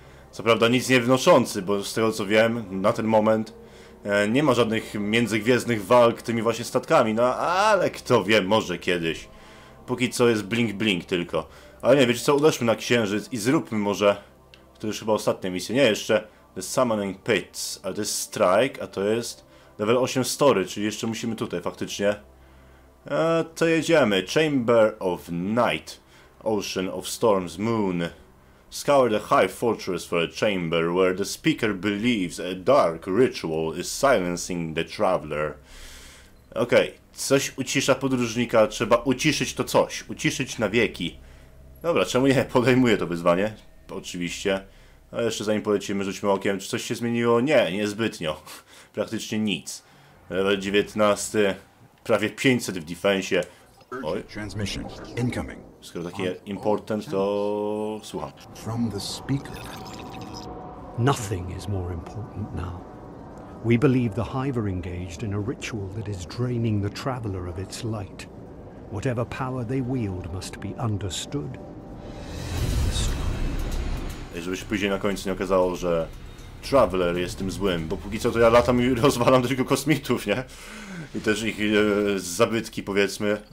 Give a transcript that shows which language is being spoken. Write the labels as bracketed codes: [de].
[pl] Co prawda nic nie wnoszący, bo z tego co wiem, na ten moment nie ma żadnych międzygwiezdnych walk tymi właśnie statkami, no ale kto wie, może kiedyś. Póki co jest blink blink tylko. Ale nie, wiecie co, uderzmy na księżyc i zróbmy może... To już chyba ostatnia misja, nie jeszcze. The Summoning Pits, ale to jest Strike, a to jest level 8 Story, czyli jeszcze musimy tutaj faktycznie. To jedziemy. [en] Chamber of Night, Ocean of Storms, Moon. Scour the high fortress for a chamber where the speaker believes a dark ritual is silencing the traveler. Okej, okay. [pl] Coś ucisza podróżnika, trzeba uciszyć to coś, uciszyć na wieki. Dobra, czemu nie? Podejmuję to wyzwanie, oczywiście. A jeszcze zanim polecimy, rzućmy okiem, czy coś się zmieniło? Nie, niezbytnio. Praktycznie nic. Level 19, prawie 500 w defensie. Oj. [en] Transmission incoming. [pl] Skoro takie important, to słucham. [en] From the speaker. Nothing is more important now. We believe the hive are engaged in a ritual that is draining the traveler of its light. Whatever power they wield must be understood. [pl] Żeby się później na końcu nie okazało, że Traveler jest tym złym, bo póki co to ja latam i rozwalam tylko kosmitów, nie? I też ich zabytki, powiedzmy.